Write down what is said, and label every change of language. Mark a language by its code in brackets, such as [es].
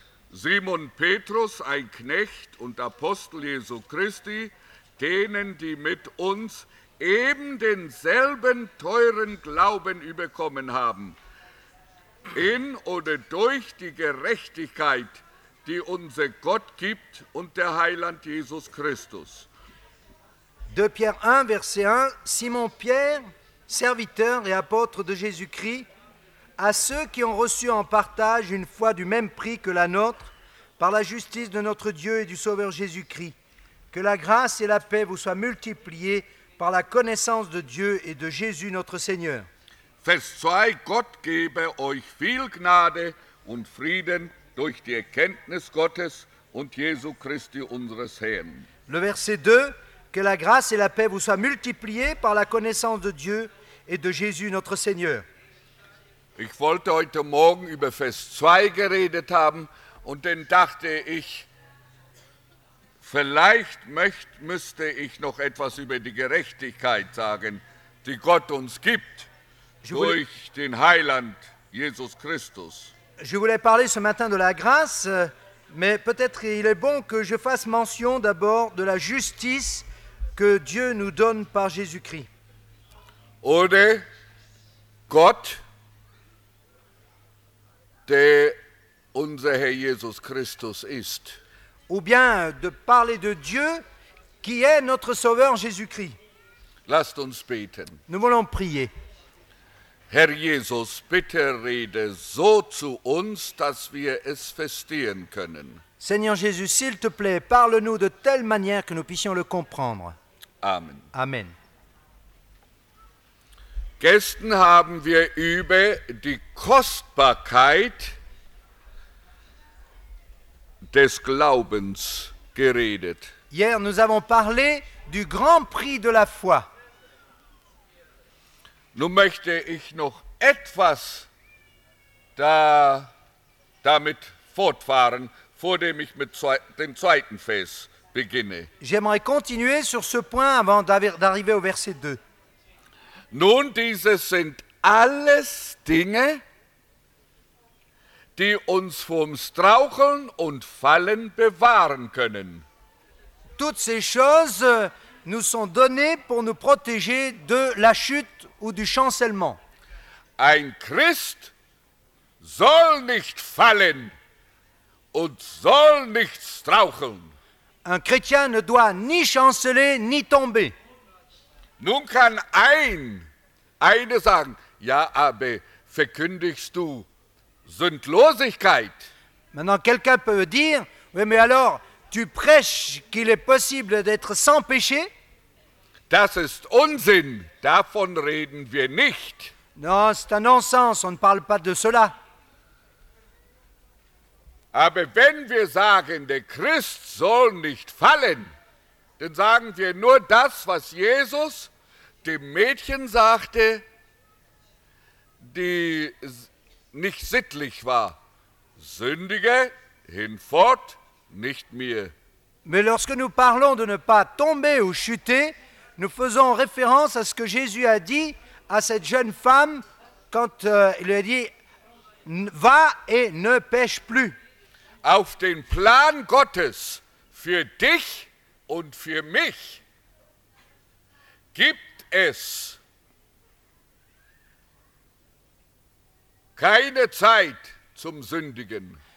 [de] Simon Petrus, ein Knecht und Apostel Jesu Christi, denen, die mit uns eben denselben teuren Glauben überkommen haben, in oder durch die Gerechtigkeit, die unser Gott gibt und der Heiland Jesus Christus. [fr] 2 Pierre 1, Verset 1, Simon Pierre, serviteur et apôtre de Jésus-Christ, à ceux qui ont reçu en partage une foi du même prix que la nôtre, par la justice de notre Dieu et du Sauveur Jésus-Christ, que la grâce et la paix vous soient multipliées par la connaissance de Dieu et de Jésus notre Seigneur. [de] Vers 2, Gott gebe euch viel Gnade und Frieden durch die Erkenntnis Gottes und Jesu Christi unseres Herrn. [fr] Le verset 2, que la grâce et la paix vous soient multipliées par la connaissance de Dieu et de Jésus notre Seigneur. [de] Ich wollte heute Morgen über Vers 2 geredet haben, und dann dachte ich, vielleicht müsste ich noch etwas über die Gerechtigkeit sagen, die Gott uns gibt durch den Heiland Jesus Christus. [fr] Je voulais parler ce matin de la grâce, mais peut-être il est bon que je fasse mention d'abord de la justice que Dieu nous donne par Jésus-Christ. [de] Oder Gott, der unser Herr Jesus Christus ist. [fr] Ou bien de parler de Dieu qui est notre Sauveur Jésus-Christ. [de] Lasst uns beten. [fr] Nous voulons prier. [de] Herr Jesus, bitte rede so zu uns, dass wir es verstehen können. [fr] Seigneur Jésus, s'il te plaît, parle-nous de telle manière que nous puissions le comprendre. [de] Amen. [fr] Amen. [de] Gestern haben wir über die Kostbarkeit des Glaubens geredet. [fr] Hier, nous avons parlé du grand prix de la foi. [de] Nun möchte ich noch etwas damit fortfahren, vor dem ich mit dem zweiten Vers beginne. [fr] J'aimerais continuer sur ce point avant d'arriver au verset 2. [de] Nun, diese sind alles Dinge, die uns vom Straucheln und Fallen bewahren können. [fr] Toutes ces choses nous sont données pour nous protéger de la chute ou du chancellement. [de] Ein Christ soll nicht fallen und soll nicht straucheln. [fr] Un chrétien ne doit ni chanceler ni tomber. [de] Nun kann eine sagen, ja, aber verkündigst du Sündlosigkeit? [fr] Maintenant, quelqu'un peut dire, oui, mais alors, tu prêches qu'il est possible d'être sans péché? [de] Das ist Unsinn, davon reden wir nicht. [fr] Non, c'est un non-sens, on ne parle pas de cela. [de] Aber wenn wir sagen, der Christ soll nicht fallen, dann sagen wir nur das, was Jesus dem Mädchen sagte, die nicht sittlich war. Sündige hinfort, nicht mehr. [fr] Mais lorsque nous parlons de ne pas tomber ou chuter, nous faisons référence à ce que Jésus a dit à cette jeune femme quand il lui a dit « Va et ne pêche plus ». [de] Auf den Plan Gottes für dich und für mich gibt es keine Zeit zum Sündigen.